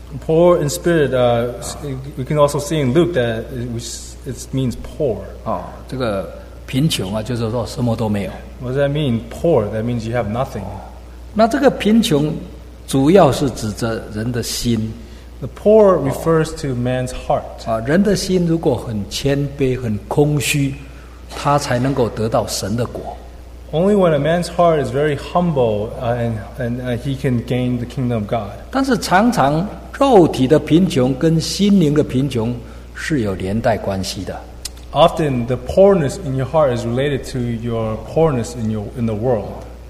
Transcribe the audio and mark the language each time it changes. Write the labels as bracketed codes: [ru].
[en] Poor in spirit, we can also see in Luke that it means poor. [zh] 这个贫穷啊, 就是说什么都没有。 [en] What does that mean, poor? That means you have nothing. [zh] 那这个贫穷, 主要是指着人的心。 [en] The poor refers to man's heart. [zh] 人的心如果很谦卑, 很空虚, 他才能够得到神的果。 [en] Only when a man's heart is very humble and he can gain the kingdom of God. [zh] 但是常常肉体的贫穷跟心灵的贫穷是有连带关系的。 [en] Often the poorness in your heart is related to your poorness in the world.